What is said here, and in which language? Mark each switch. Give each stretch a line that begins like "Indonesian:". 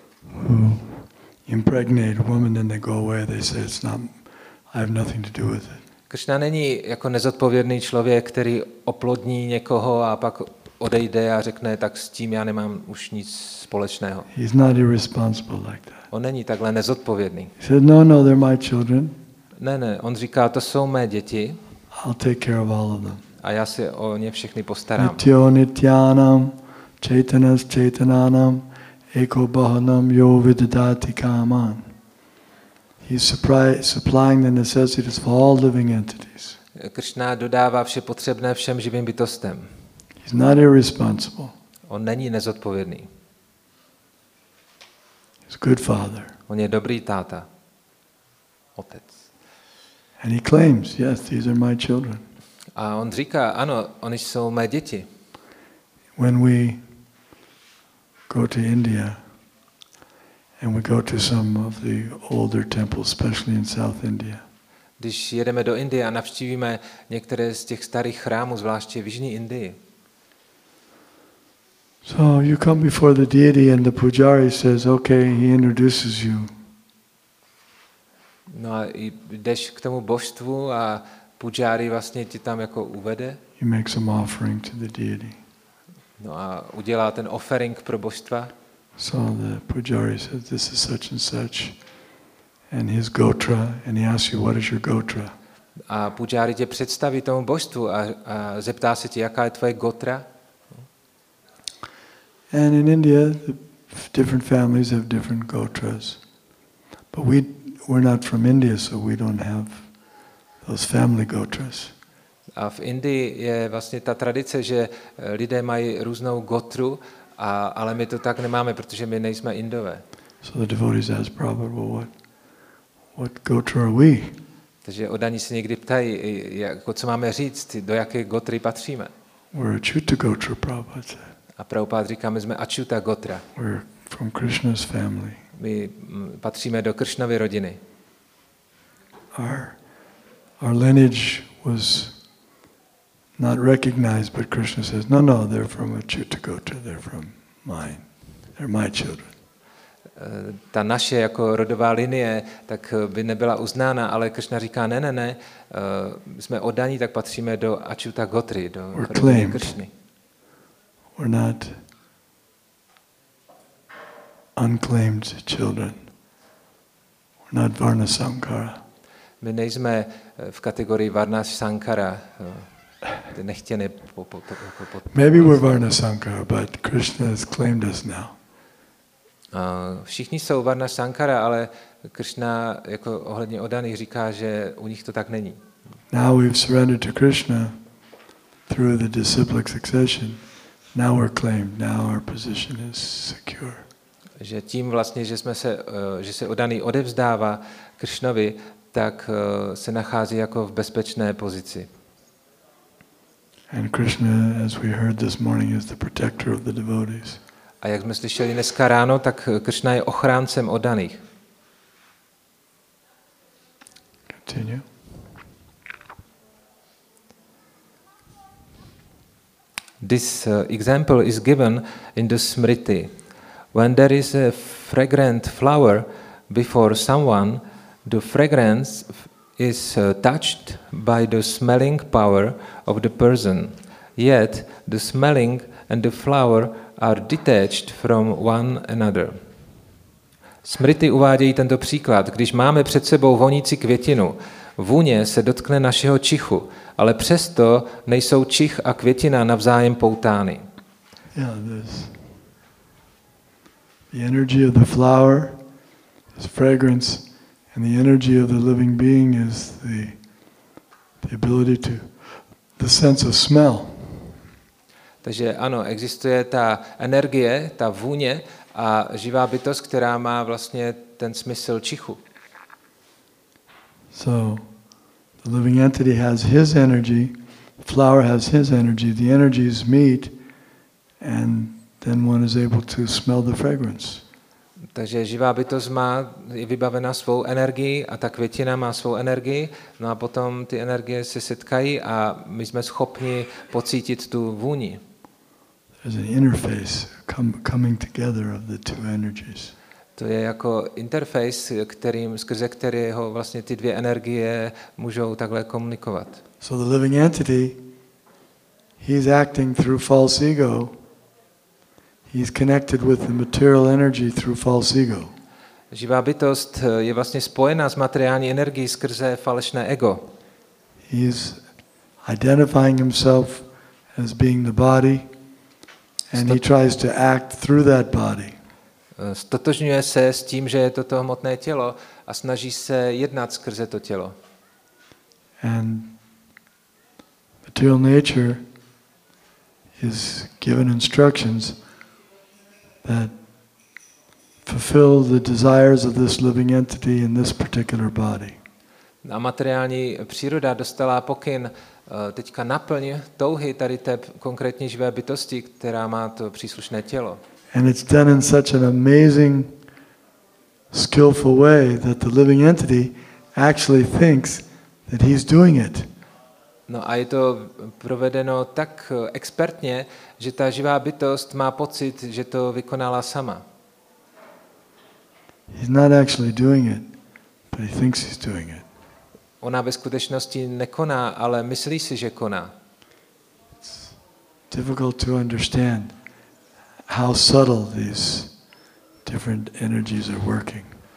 English: Who impregnate a woman and they go away? They say it's not. I have nothing to do with it.
Czech: Krishna není jako nezodpovědný člověk, který oplodní někoho a pak odejde a řekne, tak s tím já nemám už nic společného.
English: He's not irresponsible like that.
Czech: On není takhle nezodpovědný.
English: He said, no, no, they're my children.
Czech: Ne, ne. On říká, to jsou mé děti.
English: I'll take care of all of them.
Czech: A já se o ně všechny postarám.
Sanskrit: Nityo nityanam, chaitanas chaitananam. Eko bahanam yo vidadati kaman.
English: He's supplying the necessities for all living entities.
Czech: Krishna dodává vše potřebné všem živým bytostem.
English: He's not irresponsible.
Czech: On není nezodpovědný.
English: He's a good father.
Czech: On je dobrý táta. Otec.
English: And he claims, yes, these are my children.
Czech: A on říká, ano, oni jsou mé děti.
English: When we go to India and we go to some of the older temples, especially in South India.
Czech: Když jedeme do Indie a navštívíme některé z těch starých chrámů, zvláště v jižní Indii.
English: So you come before the deity and the pujari says, okay, he introduces you.
Czech: No a jdeš k tomu božstvu a pujari vlastně ti tam jako uvede.
English: He makes an offering to the deity.
Czech: No a udělá ten offering pro božstva.
English: So the pujari says, this is such and such, and his gotra, and he asks you, what is your gotra?
Czech: A pujari tě představí tomu božstvu a zeptá se tě, jaká je tvoje gotra.
English: And in India, different families have different gotras, but we're not from India, so we don't have those family gotras.
Czech: A v Indii je vlastně ta tradice, že lidé mají různou gotru, ale my to tak nemáme, protože my nejsme Indové.
English: So the devotees ask Prabhupada, well, what gotra are we?
Czech: Takže oddaní se někdy ptají, jako co máme říct, do jaké gotry patříme.
English: We're Achyuta gotra, Prabhupada said.
Czech: A Prabhupada říká, my jsme Achyuta gotra.
English: We're from Krishna's family.
Czech: My patříme do Krishnovy rodiny.
English: Our lineage was not recognized, but Krishna says, no, they're from Achyuta Gotra, they're from mine. They're my children.
Czech: Ta naše jako rodová linie tak by nebyla uznána, ale Krishna říká ne, ne, ne. Jsme oddaní, tak patříme do Achyuta Gotri, do rodiny Krishny.
English: We're not unclaimed children. We're not Varna Sankara.
Czech: My nejsme v kategorii Varna Sankara. Nechtěné
English: Maybe we're Varna Sankara, but Krishna has claimed us now.
Czech: Všichni jsou Varna Sankara, ale Krishna jako ohledně oddaných říká, že u nich to tak není.
English: Now we've surrendered to Krishna through the disciplic succession. Now we're claimed. Now our position is secure.
Czech: Že tím vlastně, že jsme se, že se oddaný odevzdává Krishnovi, tak se nachází jako v bezpečné pozici.
English: And Krishna, as we heard this morning, is the protector of the devotees.
Czech: A jak jsme slyšeli dneska ráno, tak Krishna je ochráncem oddaných.
English: Continue. This example is given in the Smriti. When there is a fragrant flower before someone, the fragrance is touched by the smelling power of the person. Yet the smelling and the flower are detached from one another.
Czech: Smriti uvádějí tento příklad. Když máme před sebou vonící květinu, vůně se dotkne našeho čichu, ale přesto nejsou čich a květina navzájem poutány.
English: Yeah, this. The energy of the flower is fragrance and the energy of the living being is the ability to the sense of smell.
Czech: Takže ano, existuje ta energie, ta vůně a živá bytost, která má vlastně ten smysl čichu.
English: So the living entity has his energy, the flower has his energy, the energies meet and then one is able to smell the fragrance.
Czech: Takže živá bytost má je vybavena svou energií a ta květina má svou energii, no a potom ty energie se setkají a my jsme schopni pocítit tu vůni.
English: There's an interface coming together of the two energies.
Czech: To je jako interface, kterým skrze kterého vlastně ty dvě energie můžou takhle komunikovat.
English: So the living entity, he's acting through false ego. He's connected with the material energy through false ego.
Czech: Živá bytost je vlastně spojená s materiální energií skrze falešné ego.
English: He's identifying himself as being the body. And he tries to act through that body.
Czech: Stotožňuje se s tím, že je to hmotné tělo a snaží se jednat skrze to tělo.
English: And material nature is given instructions that fulfill the desires of this living entity in this particular body.
Czech: A materiální příroda dostala pokyn teďka naplň touhy tady té konkrétní živé bytosti, která má to příslušné tělo.
English: And it's done in such an amazing, skillful way that the living entity actually thinks that he's doing it.
Czech: No a je to provedeno tak expertně, že ta živá bytost má pocit, že to vykonala sama.
English: He's not actually doing it, but he thinks he's doing it.
Czech: Ona ve skutečnosti nekoná, ale myslí si, že koná.
English: It's difficult to understand how subtle these different energies are working.